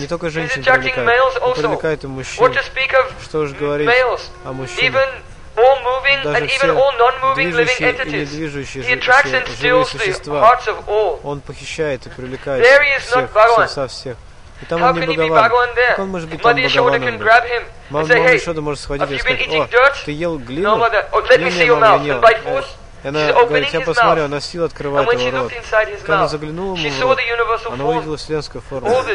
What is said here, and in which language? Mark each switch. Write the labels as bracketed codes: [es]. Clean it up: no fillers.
[ru] не только женщин привлекает, он привлекает и мужчин. Что уж говорить о мужчинах. [en] All moving and even all non-moving living entities. He attracts and steals the hearts of all. There he is not Bhagavan. How can he be Bhagavan there? Madhya Yashoda can grab him and say, hey, have you been eating dirt? No, mother. Oh, let me see your mouth. And by force, [ru] она говорит, я посмотрю, она силой открывает его рот. Когда она заглянула ему в рот, она увидела вселенскую форму.